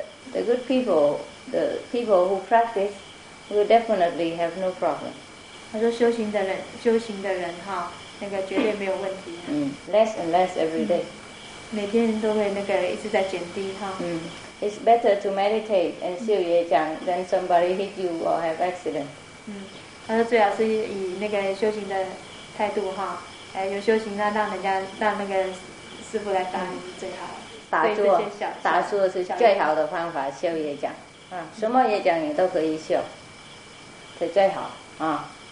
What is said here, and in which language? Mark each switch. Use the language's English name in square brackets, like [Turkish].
[English] The good people, the people who practice will definitely have no problem. [Chinese] 他说修行的人，修行的人哈，那个绝对没有问题。 [English] Less and less every day. [Chinese] 每天都会那个一直在减低哈。 [English] It's better to meditate and [Chinese] 修业障 [English] than somebody hit you or have accident. [Chinese] 他说最好是以那个修行的态度哈，有修行让人家让那个。师父来打你最好，打坐，打坐是最好的方法，修业障，什么业障你都可以修，这最好啊。